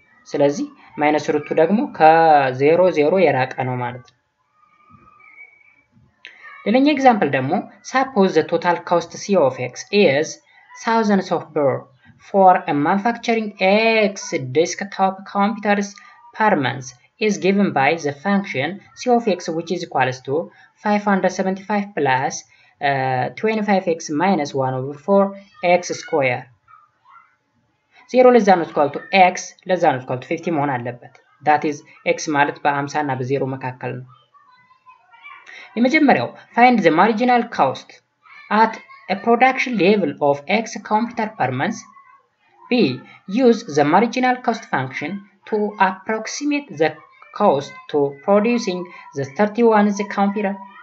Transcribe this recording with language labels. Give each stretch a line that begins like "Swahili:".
Amharic: ስለዚ ማይነስ ሩቱ ደግሞ ከ00 የራቀ ነው ማለት ነው። ለነኛ ኤግዛምፕል ደግሞ
English: suppose the total cost c of x is thousands of birr for a manufacturing x desktop computers per month is given by the function c of x which is equals to 575 plus 25x minus 1 over 4 x square.
Amharic: 0 less than equal to x less than equal to 50 መሆን አለበት.
English: That is
Amharic: x ማለት በ50 እና በ0 መካከል ነው. የመጀመሪያው
English: find the marginal cost at a production level of x computer per month. B use the marginal cost function to approximate the cost to producing the 31 the computer.